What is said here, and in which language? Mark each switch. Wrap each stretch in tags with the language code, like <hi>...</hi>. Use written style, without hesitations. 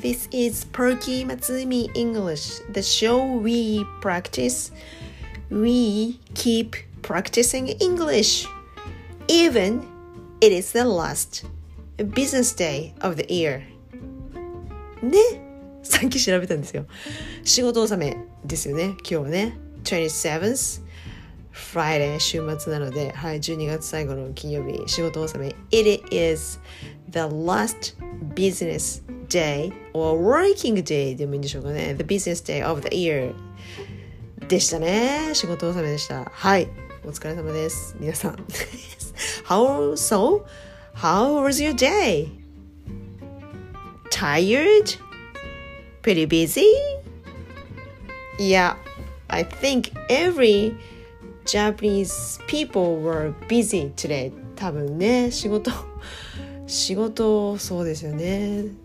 <en>This is Perky Matsumi English, the show we practice. We keep practicing English, even it is the last business day of the year.</en> <ja>ね、さっき調べたんですよ。仕事納めですよね、今日はね。</ja> <en>27th Friday、</en> <ja>週末なので、はい、12月最後の金曜日、仕事納め。</ja> <en>It is the last business day or working day</en> <ja>でもいいんでしょうかね。</ja> <en>The business day of the year</en> <ja>でしたね。仕事納めでした。はい、お疲れ様です、皆さん。</ja> <en>How was your day? Tired? Pretty busy? Yeah, I think every Japanese people were busy today.</en> <ja>多分ね、仕事そうですよね。</ja>